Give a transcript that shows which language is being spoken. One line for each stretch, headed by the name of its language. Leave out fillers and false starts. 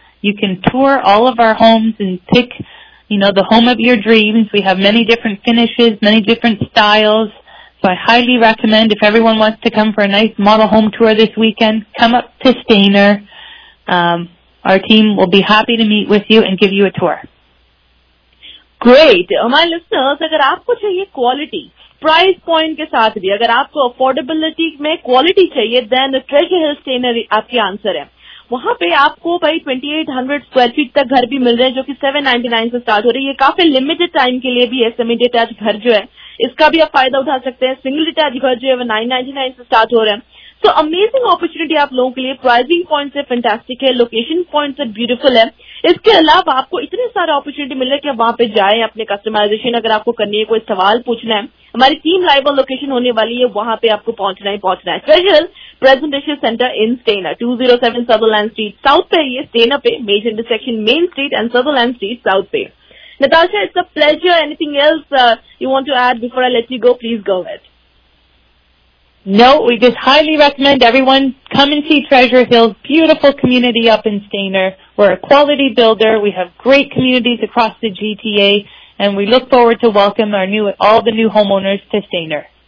English: You can tour all of our homes and pick, you know, the home of your dreams. We have many different finishes, many different styles. So I highly recommend if everyone wants to come for a nice model home tour this weekend, come up to Stamer. Our team will be happy to meet with you and give you a tour. Great.
Hindi: My listeners, agar aapko chahiye quality, price point के साथ भी अगर आपको affordability में quality चाहिए, then treasure हिल Steiner आपकी answer है। वहां पे आपको भाई 2800 स्क्वायर फीट तक घर भी मिल रहे हैं, जो कि 799 से स्टार्ट हो रही है। ये काफी लिमिटेड टाइम के लिए भी है, सेमी डिटैच घर जो है इसका भी आप फायदा उठा सकते हैं। सिंगल डिटैच घर जो है वो 999 से स्टार्ट हो रहे हैं।
English: so amazing opportunity
Hindi: आप लोगों के लिए। प्राइसिंग पॉइंट से फैंटास्टिक है, लोकेशन पॉइंट से ब्यूटीफुल है। इसके अलावा आपको इतने सारे अपॉर्चुनिटी मिल रहे हैं कि आप वहां पे जाएं, अपने कस्टमाइजेशन अगर आपको करनी है, कोई सवाल पूछना है, हमारी टीम लाइव ऑन लोकेशन होने वाली है, वहां पे आपको पहुंचना है। स्पेशल प्रेजेंटेशन सेंटर इन स्टेनर, 207 सदरलैंड स्ट्रीट साउथ पे है ये, स्टेनर पे major intersection main street and Sutherland street south पे।
English: Natasha, it's a pleasure. Anything else you want to add before I let you go, please go ahead. No, we just highly recommend everyone come and see Treasure Hill's beautiful community up in Stamer. We're a quality builder. We have great communities across the GTA, and we look forward to welcome all the new homeowners to Stamer.